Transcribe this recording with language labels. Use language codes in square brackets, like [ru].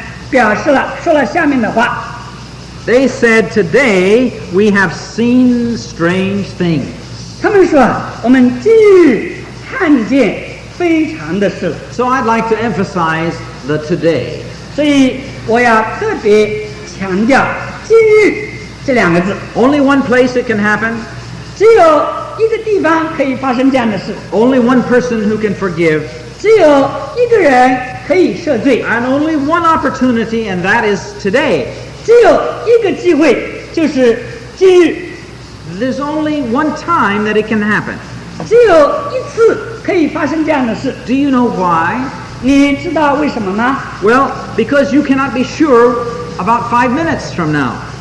[zh] 那么我们在26节看到那个地方告诉我们，那些人呢，那么目睹这样一个奇妙的神迹的人，他们表示了，说了下面的话。 [en] They said, today we have seen strange things. [zh] 他们说，我们今日看见非常的事。 [en] So I'd like to emphasize the today. [zh] 所以我要特别强调今日这两个字。 [en] Only one place it can happen. [zh] 只有一个地方可以发生这样的事。 [en] Only one person who can forgive. [zh] 只有一个人可以赦罪。 [en] And only one opportunity, and that is today. [zh] 只有一个机会，就是今日。 [en] There's only one time that it can happen. [zh] 只有一次可以发生这样的事。 [en] Do you know why? [zh] 你知道为什么吗? [en] Well, because you cannot be sure about 5 minutes from now.